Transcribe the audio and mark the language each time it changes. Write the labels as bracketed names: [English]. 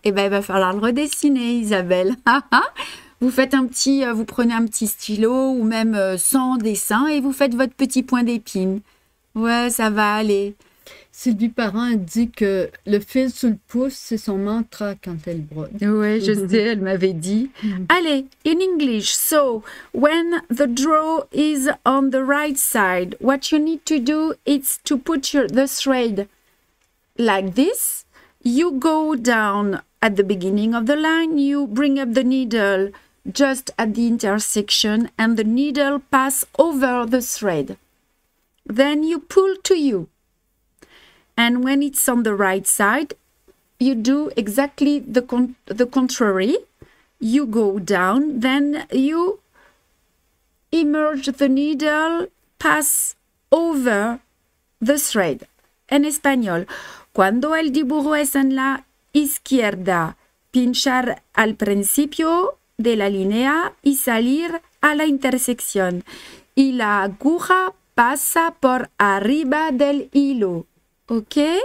[French] Eh bien, il va falloir le redessiner, Isabelle. Vous faites un petit, vous prenez un petit stylo ou même sans dessin et vous faites votre petit point d'épine. Ouais, ça va aller. Sylvie Parent dit que le fil sous le pouce, c'est son mantra quand elle brode. Oui, je sais, elle m'avait dit. [English] Allez, in English, so, when the draw is on the right side, what you need to do is to put the thread like this. You go down at the beginning of the line, you bring up the needle just at the intersection and the needle pass over the thread. Then you pull to you. And when it's on the right side, you do exactly the contrary. You go down, then you emerge the needle, pass over the thread. [Spanish] En español, cuando el dibujo es en la izquierda, pinchar al principio de la línea y salir a la intersección. Y la aguja pasa por arriba del hilo. Ok?